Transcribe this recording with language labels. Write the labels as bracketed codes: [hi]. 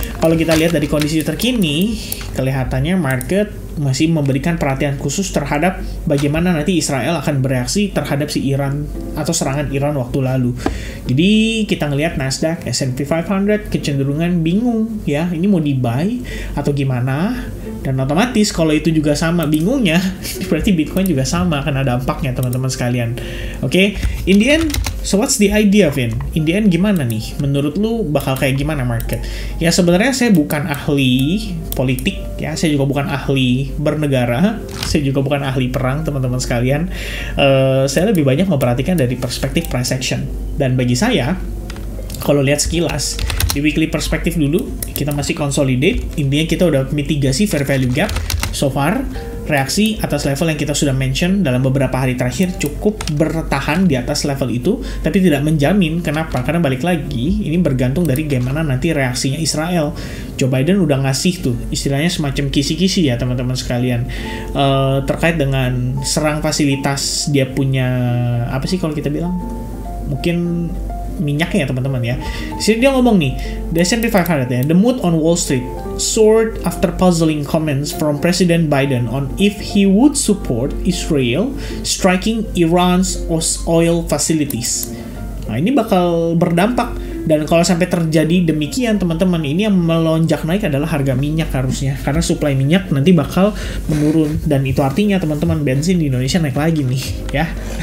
[id] Kalau kita lihat dari kondisi terkini, kelihatannya market masih memberikan perhatian khusus terhadap bagaimana nanti Israel akan bereaksi terhadap si Iran atau serangan Iran waktu lalu. Jadi kita ngelihat Nasdaq, S&P 500 kecenderungan bingung ya, ini mau di-buy atau gimana? Dan otomatis kalau itu juga sama bingungnya, berarti Bitcoin juga sama akan ada dampaknya teman-teman sekalian. Oke, okay? [en] In the end, so what's the idea, Vin? In the end [id] gimana nih? Menurut lu bakal kayak gimana market? Ya sebenarnya saya bukan ahli politik ya, saya juga bukan ahli bernegara, saya juga bukan ahli perang teman-teman sekalian. Saya lebih banyak memperhatikan dari perspektif price action. Dan bagi saya, kalau lihat sekilas, di weekly perspektif dulu, kita masih consolidate. Intinya kita udah mitigasi fair value gap. So far, reaksi atas level yang kita sudah mention dalam beberapa hari terakhir cukup bertahan di atas level itu, tapi tidak menjamin. Kenapa? Karena balik lagi, ini bergantung dari gimana nanti reaksinya Israel. Joe Biden udah ngasih tuh, istilahnya semacam kisi-kisi ya teman-teman sekalian, terkait dengan serang fasilitas dia punya, apa sih kalau kita bilang? Mungkin minyaknya ya teman-teman ya. Di sini dia ngomong nih, [en] the S&P 500 ya, the mood on Wall Street soared after puzzling comments from President Biden on if he would support Israel striking Iran's oil facilities. [id] Nah ini bakal berdampak, dan kalau sampai terjadi demikian teman-teman, ini yang melonjak naik adalah harga minyak harusnya, karena supply minyak nanti bakal menurun, dan itu artinya teman-teman bensin di Indonesia naik lagi nih ya.